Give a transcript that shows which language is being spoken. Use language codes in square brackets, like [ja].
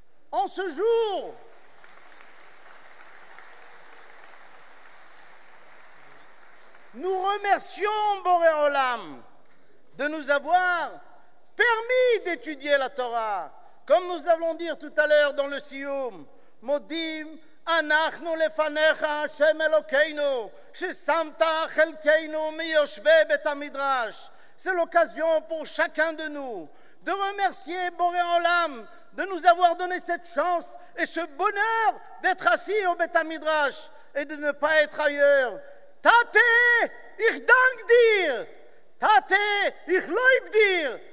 [fr] En ce jour, nous remercions Boré Olam de nous avoir permis d'étudier la Torah, comme nous allons dire tout à l'heure dans le Siyum. [he] Modim אנחנו לפניך השם אלוקינו ששמת חלקנו מיושבי בית המדרש. [fr] C'est l'occasion pour chacun de nous de remercier Boré Olam de nous avoir donné cette chance et ce bonheur d'être assis au Bet HaMidrash et de ne pas être ailleurs. [yi] Tate, ich dank dir. Tate, ich loib dir.